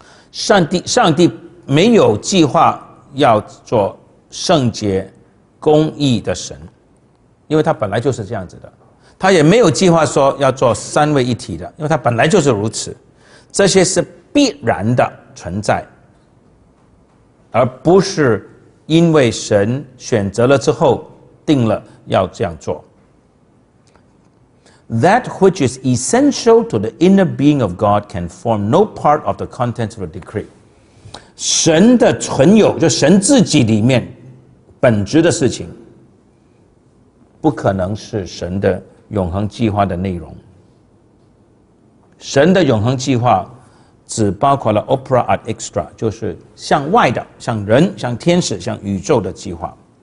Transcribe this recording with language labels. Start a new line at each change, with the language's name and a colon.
Chinese: 上帝没有计划要做圣洁公义的神，因为他本来就是这样子的，他也没有计划说要做三位一体的，因为他本来就是如此，这些是必然的存在，而不是因为神选择了之后定了要这样做。
English: That which is essential to the inner being of God can form no part of the contents of the decree。
Chinese: 神的存有，就神自己里面本质的事情，不可能是神的永恒计划的内容。神的永恒计划只包括了 opera ad extra， 就是向外的，向人、向天使、向宇宙的计划。